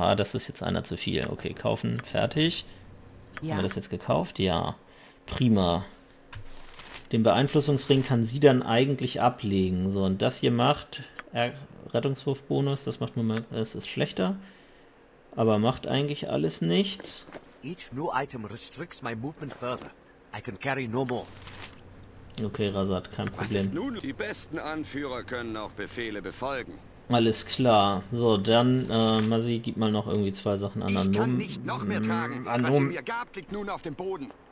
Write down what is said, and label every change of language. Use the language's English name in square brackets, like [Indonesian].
[German] Ah, das ist jetzt einer zu viel. Okay, kaufen, fertig. Ja. Haben wir das jetzt gekauft? Ja, prima. Den Beeinflussungsring kann sie dann eigentlich ablegen. So, und das hier macht Rettungswurfbonus, das macht nur mal, es ist schlechter. Aber macht eigentlich alles nichts. [English] Each new item restricts my movement further. I can carry no more. [German] Okay, Rasat, kein Problem. Was ist nun? Die besten Anführer können auch Befehle befolgen. Alles klar. So, dann, Masi, gib mal noch irgendwie zwei Sachen an. Ich kann nicht noch mehr tragen. Was ihr mir gab, liegt nun auf dem Boden.